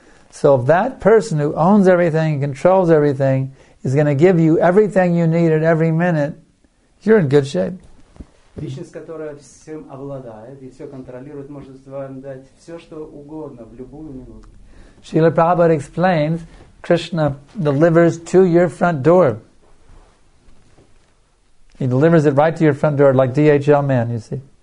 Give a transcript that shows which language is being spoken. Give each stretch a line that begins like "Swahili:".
English: So if that person who owns everything and controls everything is going to give you everything you need at every minute, you're in good shape.
Russian: Личность, которая всем обладает и все контролирует, может вам дать все, что угодно, в любую минуту.
English: Srila Prabhupada explains, Krishna delivers to your front door. He delivers it right to your front door, like DHL man, you see.